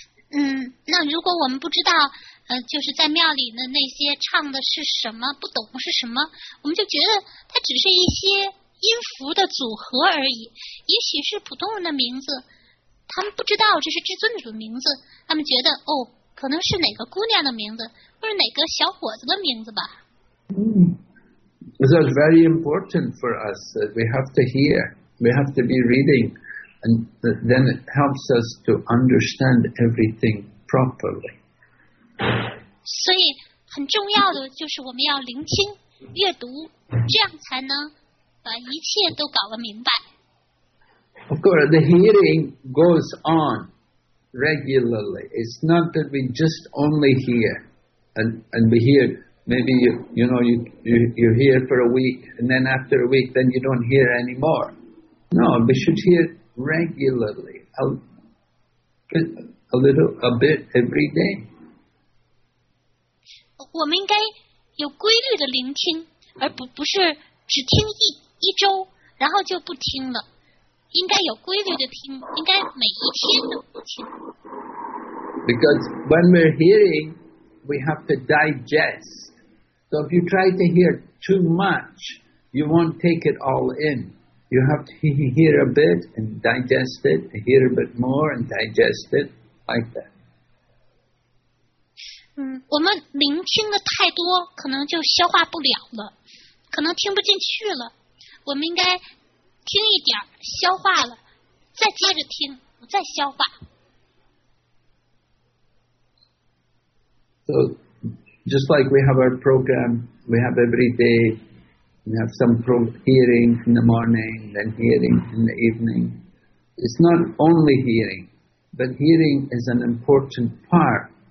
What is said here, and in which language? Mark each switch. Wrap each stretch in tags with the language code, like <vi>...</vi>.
<zh>那如果我们不知道就是在庙里的那些唱的是什么，不懂是什么，我们就觉得它只是一些音符的组合而已，也许是普通人的名字，他们不知道这是至尊主的名字，他们觉得哦，可能是哪个姑娘的名字，或者哪个小伙子的名字吧。</zh> <en>So it's very important for us that we have to hear, we have to be reading, and then it helps us to understand everything properly.</en> <zh>所以很重要的就是我们要聆听阅读，这样才能把一切都搞个明白。</zh> <en>Of course, the hearing goes on regularly. It's not that we just only hear and we hear. Maybe you hear for a week and then after a week then you don't hear anymore. No, we should hear regularly. A little bit every day.</en> <zh>我们应该有规律的聆听，而不是只听一周然后就不听了，应该有规律的听，应该每一天都听。</zh> <en>Because when we're hearing, we have to digest. So if you try to hear too much, you won't take it all in. You have to hear a bit and digest it, hear a bit more and digest it, like that.</en> <zh>我们聆听的太多，可能就消化不了了，可能听不进去了。我们应该听一点，消化了，再接着听，再消化。</zh> <en>So, just like we have our program, we have every day, we have some hearing in the morning, then hearing in the evening. It's not only hearing, but hearing is an important part.</en>